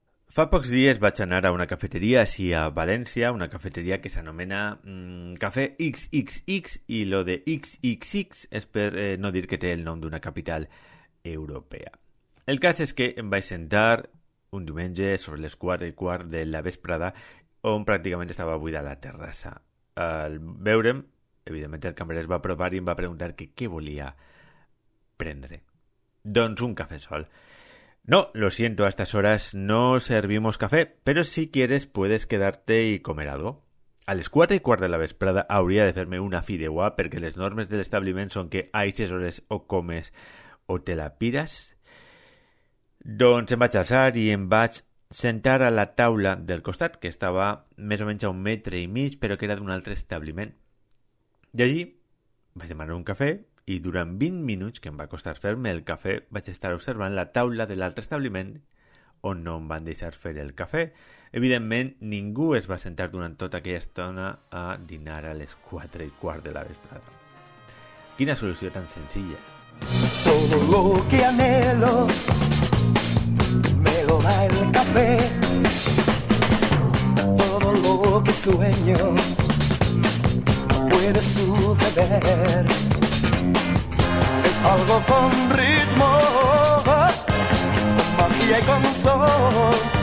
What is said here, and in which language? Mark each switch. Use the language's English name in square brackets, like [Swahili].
[Catalan] Fa pocs dies vaig anar a una cafeteria així a València, una cafeteria que s'anomena Cafè XXX, i lo de XXX és per no dir que té el nom d'una capital europea. El cas és que em vaig sentar un diumenge sobre les 4:15 de la vesprada, on pràcticament estava buida la terrassa. Al veure'm, evidentment el cambrer es va apropar i em va preguntar que què volia prendre. Doncs un cafè sol. [Spanish] No, lo siento, a estas horas no servimos café, pero si quieres puedes quedarte y comer algo. [Catalan] A les 4:15 de la vesprada hauria de fer-me una fideuà, perquè les normes de l'establiment són que a 6 hores o comes o te la pires. Doncs em vaig alçar i em vaig sentar a la taula del costat, que estava més o menys a 1.5 metres, però que era d'un altre establiment. I allí vaig demanar un café. I durant 20 minuts, que em va costar fer-me el cafè, vaig estar observant la taula de l'altre establiment on no em van deixar fer el cafè. Evidentment, ningú es va sentar durant tota aquella estona a dinar a les 4:15 de la vesprada. Quina solució tan senzilla. [Spanish] Todo lo que anhelo me lo da el café. Todo lo que sueño puede suceder. Algo con ritmo, con magia y con sol.